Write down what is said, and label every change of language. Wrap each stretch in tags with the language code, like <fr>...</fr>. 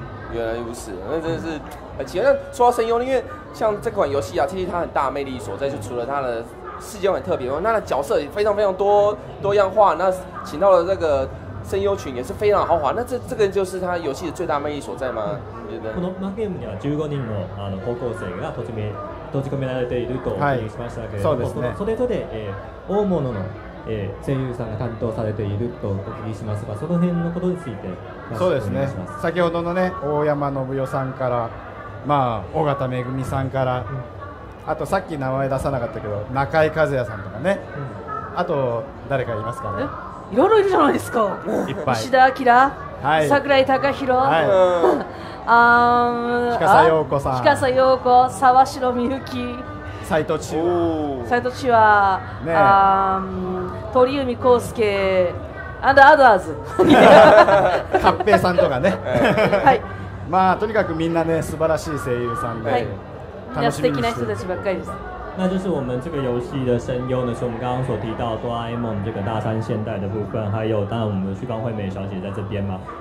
<zh>原来如此，那真的是很奇怪。说到声优，因为像这款游戏啊，其实它很大的魅力所在，就除了它的世界很特别，那角色也非常非常多样化。那请到了这个声优群也是非常豪华。那这个就是他游戏的最大魅力所在吗？</zh> <ja>このマゲームには15人の高校生が閉じ込められていると聞きましたけれども、はい、そうですね。それぞれ大物の声優さんが担当されているとお聞きしますが、その辺のことについて。そうですね。先ほどのね、大山信代さんから、まあ尾形めぐみさんから、あとさっき名前出さなかったけど中井和也さんとかね、あと誰かいますかね。いろいろいるじゃないですか。いっぱい。石田明、はい、桜井孝宏、はい、氷笠陽子さん、氷笠陽子、沢城みゆき、斉藤千和、斉藤千和、ね、鳥海浩介。アンドアドアーズカッペイさんとかね、はい、まあとにかくみんなね素晴らしい声優さんで、はい、楽しみにしてる素敵な人たちばっかりです。</ja> <zh>那就是我们这个游戏的声优呢，是我们刚刚所提到哆啦 A 梦这个大三现代的部分，还有当然我们旭光惠美小姐在这边嘛。</zh>